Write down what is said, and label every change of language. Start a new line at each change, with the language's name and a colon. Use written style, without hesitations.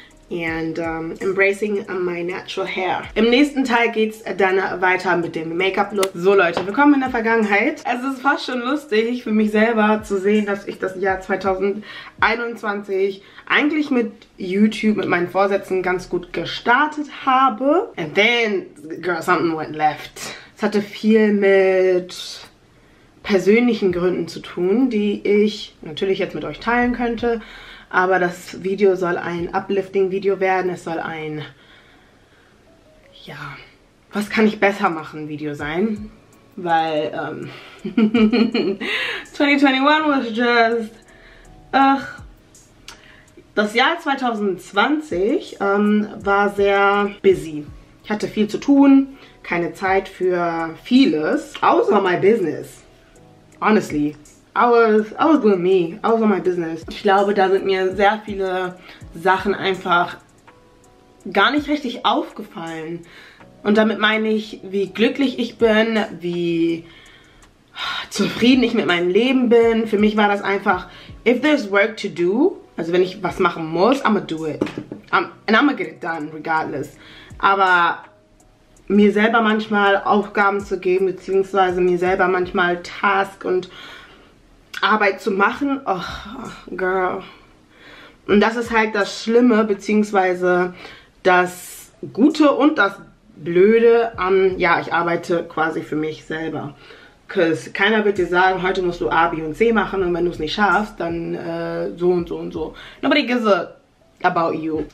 English: And embracing my natural hair.
German: Im nächsten Teil geht's dann weiter mit dem Make-up-Look. So Leute, willkommen in der Vergangenheit. Es ist fast schon lustig für mich selber zu sehen, dass ich das Jahr 2021 eigentlich mit YouTube, mit meinen Vorsätzen ganz gut gestartet habe.
English: And then, girl, something went left.
German: Es hatte viel mit persönlichen Gründen zu tun, die ich natürlich jetzt mit euch teilen könnte. Aber das Video soll ein Uplifting-Video werden. Es soll ein, ja, was kann ich besser machen Video sein. Weil 2021
English: was just,
German: ach, das Jahr 2020 war sehr busy. Ich hatte viel zu tun, keine Zeit für vieles, außer
English: my business, honestly. I was doing me, I was on my business.
German: Ich glaube, da sind mir sehr viele Sachen einfach gar nicht richtig aufgefallen. Und damit meine ich, wie glücklich ich bin, wie zufrieden ich mit meinem Leben bin. Für mich war das einfach,
English: if there's work to do,
German: also wenn ich was machen muss,
English: I'ma do it. And I'ma get it done, regardless.
German: Aber mir selber manchmal Aufgaben zu geben, beziehungsweise mir selber manchmal Task und Arbeit zu machen, ach, girl. Und das ist halt das Schlimme, beziehungsweise das Gute und das Blöde am, ja, ich arbeite quasi für mich selber. Because keiner wird dir sagen, heute musst du A, B und C machen und wenn du es nicht schaffst, dann so und so und so.
English: Nobody gives a about you.